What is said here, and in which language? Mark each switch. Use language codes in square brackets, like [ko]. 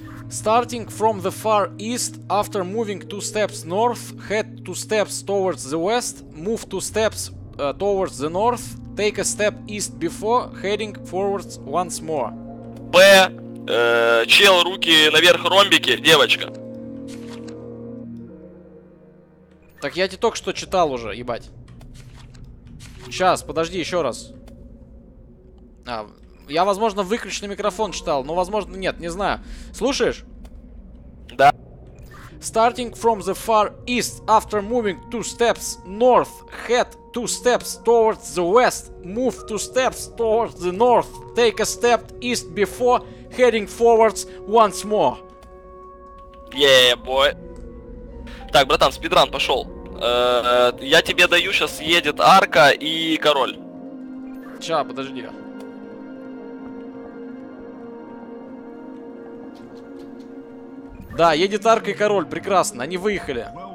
[en] Starting from the far east, after moving 2 steps north, head 2 steps towards the west, move 2 steps towards the north, take a step east before, heading forwards once more. [ru] Б, чел, руки наверх, ромбики, девочка. Так я тебе только что читал уже, ебать. Сейчас, подожди, еще раз. А, я, возможно, выключенный микрофон читал, но, возможно, нет, не знаю. Слушаешь? Да. [en] Starting from the far east, after moving 2 steps north, head 2 steps towards the west, move 2 steps towards the north, take a step east before heading forwards once more. Yeah, boy. [ru] Так, братан, спидран, пошел. Я тебе даю, сейчас едет арка и король. Ча, подожди. Да, едет арка и король, прекрасно, они выехали.